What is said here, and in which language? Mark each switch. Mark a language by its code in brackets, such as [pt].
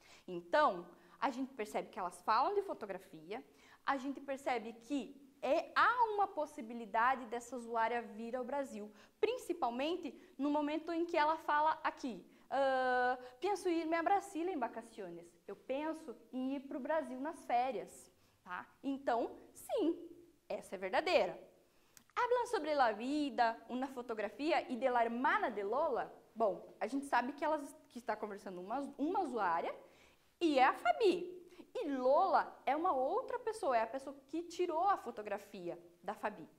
[pt] Então, a gente percebe que elas falam de fotografia, a gente percebe que há uma possibilidade dessa usuária vir ao Brasil, principalmente no momento em que ela fala aqui, penso em [es] irme a Brasil em vacaciones, [pt] eu penso em ir para o Brasil nas férias. Tá? Então, sim, essa é verdadeira. [es] Habla sobre la vida, una fotografía y de la hermana de Lola. [pt] Bom, a gente sabe que elas que está conversando uma usuária e é a Fabi. E Lola é uma outra pessoa, é a pessoa que tirou a fotografia da Fabi.